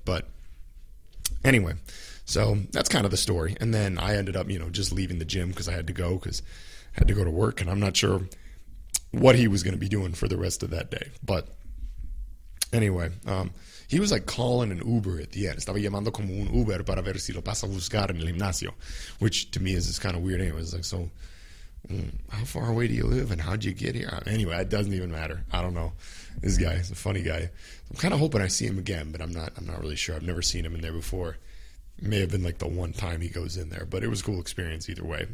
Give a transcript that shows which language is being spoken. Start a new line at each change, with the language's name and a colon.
English: But anyway, so that's kind of the story. And then I ended up, you know, just leaving the gym because I had to go to work. And I'm not sure what he was going to be doing for the rest of that day. But anyway, he was, like, calling an Uber at the end.
Spanish: Estaba llamando como un Uber para ver si lo pasa a buscar en el gimnasio.
English: Which, to me, is just kind of weird. Anyway, it's like, so, how far away do you live and how'd you get here? Anyway, it doesn't even matter. I don't know. This guy is a funny guy. I'm kind of hoping I see him again, but I'm not really sure. I've never seen him in there before. It may have been, like, the one time he goes in there, but it was a cool experience either way.